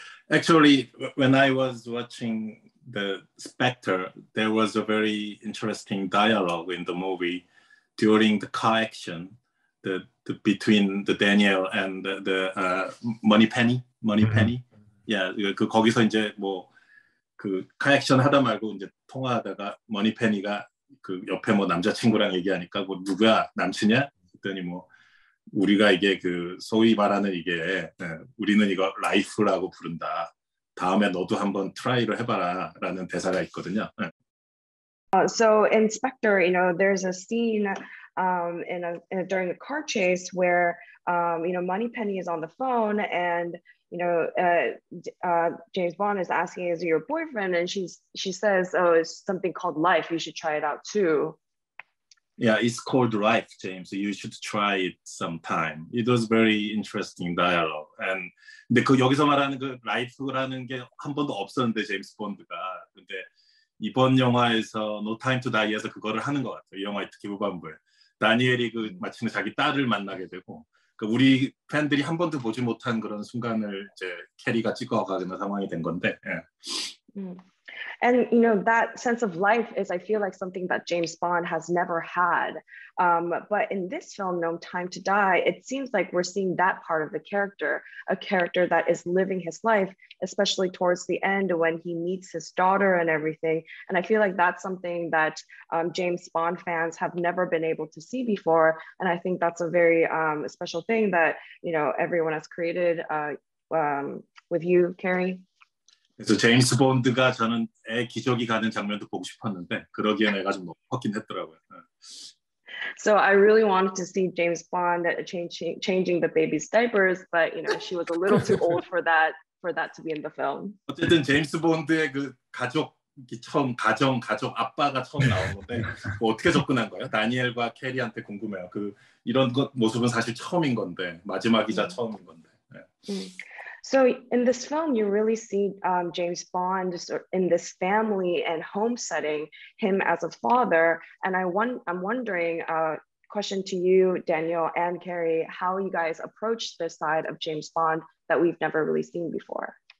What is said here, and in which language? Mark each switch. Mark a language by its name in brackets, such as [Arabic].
[English] Actually, when I was watching the Spectre, there was a very interesting dialogue in the movie during the car action, the between the Daniel and the Moneypenny. Mm-hmm. [Korean] Yeah, 거기서 이제 뭐 그 카액션 하다 말고 이제 통화하다가 머니페니가 그 옆에 뭐 남자친구랑 얘기하니까 뭐 누가 남친이야? 그랬더니 뭐 우리가 이게 그 소위 말하는 이게 예, 우리는 이거 라이프라고 부른다. 다음에 너도 한번 트라이를 해봐라 라는 대사가 있거든요. 예. [English] So in Spectre, you know, there's a scene during a car chase where, you know, Moneypenny is on the phone and you know, James Bond is asking, is he your boyfriend? And she says, oh, it's something called life. You should try it out too. Yeah, it's called life, James. You should try it sometime. It was very interesting dialogue. And [Korean] 근데 그 여기서 말하는 그 life라는 게 한 번도 없었는데, 제임스 본드가. 근데 이번 영화에서 No Time to Die에서 그거를 하는 것 같아요. 이 영화의 특히 후반부에. 다니엘이 그 마침내 자기 딸을 만나게 되고 우리 팬들이 한 번도 보지 못한 그런 순간을 이제 캐리가 찍어가는 상황이 된 건데. [English] And you know that sense of life is, I feel like, something that James Bond has never had. But in this film, No Time to Die, it seems like we're seeing that part of the character, a character that is living his life, especially towards the end when he meets his daughter and everything. And I feel like that's something that James Bond fans have never been able to see before. And I think that's a very special thing that, you know, everyone has created with you, Cary. [Korean] 그래서 제임스 본드가 저는 애 기저귀 가는 장면도 보고 싶었는데 그러기에 내가 좀 높았긴 했더라고요. [English] So I really wanted to see James Bond changing the baby's diapers, but you know she was a little too old for that for that to be in the film. [Korean] 어쨌든 제임스 본드의 그 가족 처음 가정 가족 아빠가 처음 나온 건데 뭐 어떻게 접근한 거예요? 다니엘과 캐리한테 궁금해요. 그 이런 것 모습은 사실 처음인 건데 마지막이자 처음인 건데. 네. [English] So in this film, you really see James Bond in this family and home setting, him as a father. And I'm wondering, question to you, Daniel and Cary, how you guys approach this side of James Bond that we've never really seen before.